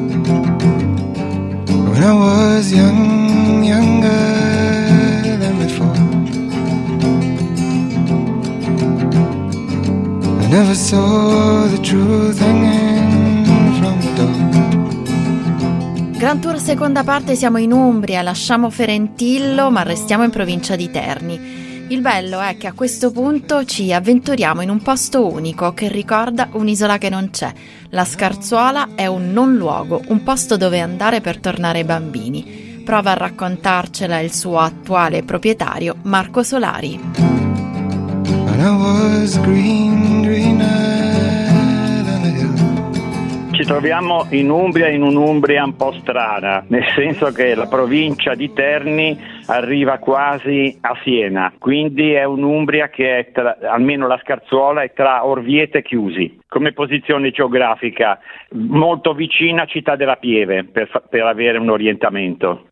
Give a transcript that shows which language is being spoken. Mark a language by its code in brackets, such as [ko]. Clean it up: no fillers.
[en] When I was young, younger than before, I never saw the truth hanging from the door. [it] Grand Tour seconda parte, siamo in Umbria, lasciamo Ferentillo ma restiamo in provincia di Terni. Il bello è che a questo punto ci avventuriamo in un posto unico che ricorda un'isola che non c'è. La Scarzuola è un non luogo, un posto dove andare per tornare bambini. Prova a raccontarcela il suo attuale proprietario, Marco Solari. [en] When I was green, greener. [it] Ci troviamo in Umbria, in un'Umbria un po' strana, nel senso che la provincia di Terni arriva quasi a Siena, quindi è un'Umbria che è tra, almeno la Scarzuola è tra Orvieto e Chiusi, come posizione geografica, molto vicina a Città della Pieve, per avere un orientamento.